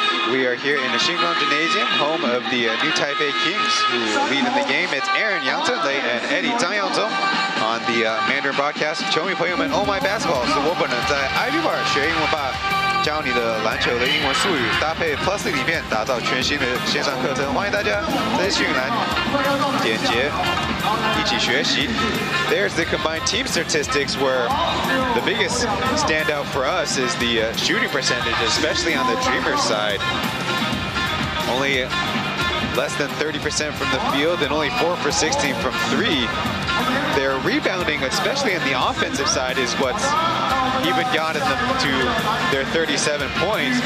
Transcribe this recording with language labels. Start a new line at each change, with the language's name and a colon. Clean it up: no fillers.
English: We are here in the Shingon Gymnasium, home of the new Taipei Kings, who lead in the game. It's Aaron Yangzhenlei and Eddie Zhangyangzhou on the Mandarin broadcast.
Chinese: 球迷朋友们 ，
English: Oh my basketball！
Chinese: 是我本人在 IV Bar 学英文吧，教你的篮球的英文术语，搭配 Plus 里面打造全新的线上课程，欢迎大家在讯栏点击一起学习。
English: There's the combined team statistics where the biggest standout for us is the shooting percentage, especially on the Dreamers side. Only less than 30% from the field and only 4-for-16 from three. Their rebounding, especially on the offensive side, is what's even gotten them to their 37 points.